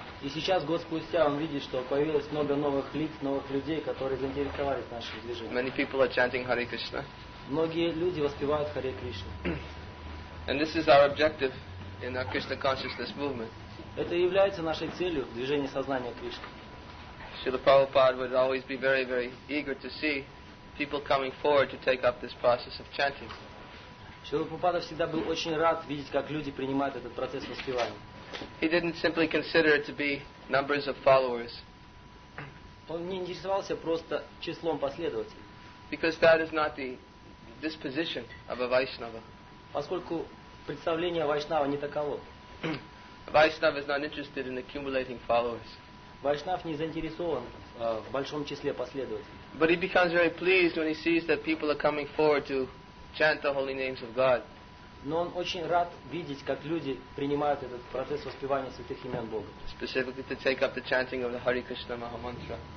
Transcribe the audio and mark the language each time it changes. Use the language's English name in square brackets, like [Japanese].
[Russian] И сейчас, год спустя, он видит, что появилось много новых лиц, новых людей, которые заинтересовались в нашем движении. [English] Many people are chanting Hare Krishna. [Russian] Многие люди воспевают Харе Кришну. [English] And this is our objective in our Krishna consciousness movement. [Russian] Это является нашей целью в движении сознания Кришны. [English] Srila Prabhupada would always be very, very eager to see people coming forward to take up this process of chanting. [Russian] Шрила Прабхупада всегда был очень рад видеть, как люди принимают этот процесс воспевания. [English] He didn't simply consider it to be numbers of followers. [Russian] Он не интересовался просто числом последователей. [English] Because that is not the disposition of a Vaishnava. [Russian] Поскольку представление Вайшнава не таково. [English] Vaishnava is not interested in accumulating followers. [Russian] Вайшнав не заинтересован в большом числе последователей. [English] But he becomes very pleased when he sees that people are coming forward to chant the holy names of God. [Russian] Но он очень рад видеть, как люди принимают этот процесс воспевания святых имен Бога. [English] Specifically to take up the chanting of the Hare Krishna Maha Mantra.